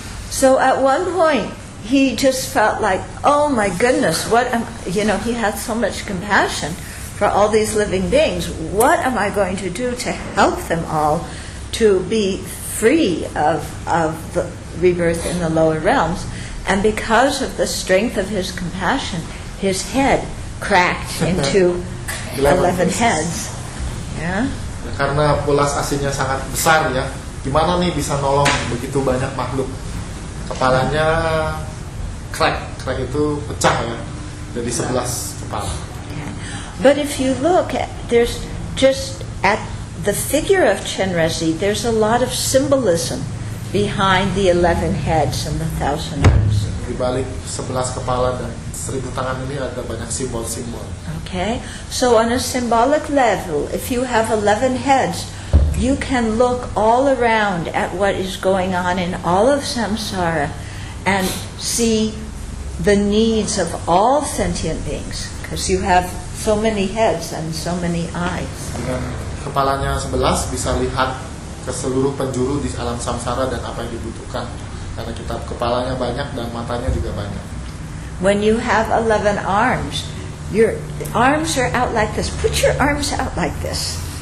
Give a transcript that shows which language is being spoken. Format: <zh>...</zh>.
<en>So at one point he just felt like, oh my goodness, what am, you know, he had so much compassion for all these living beings, what am I going to do to help them all to be free of the rebirth in the lower realms, and because of the strength of his compassion, his head cracked into 11 heads. Yeah.</en> <id>Karena pulas asinnya sangat besar ya. Gimana nih bisa nolong begitu banyak makhluk? Kepalanya crack, crack itu pecah ya. Jadi 11 kepala.</id> <en>But if you look at, there's just at the figure of Chenrezig, there's a lot of symbolism behind the 11 heads and the 1000 arms.</en> <id>Di balik 11 kepala dan 1000 tangan ini ada banyak simbol-simbol.</id> <en>Okay. So on a symbolic level, if you have 11 heads, you can look all around at what is going on in all of samsara and see the needs of all sentient beings, because you have so many heads and so many eyes.</en> <id>Dengan kepalanya 11 bisa lihat ke seluruh penjuru di alam samsara dan apa yang dibutuhkan, karena kita kepalanya banyak dan matanya juga banyak.</id> <en>When you have 11 arms, your arms are out like this. Put your arms out like this.</en>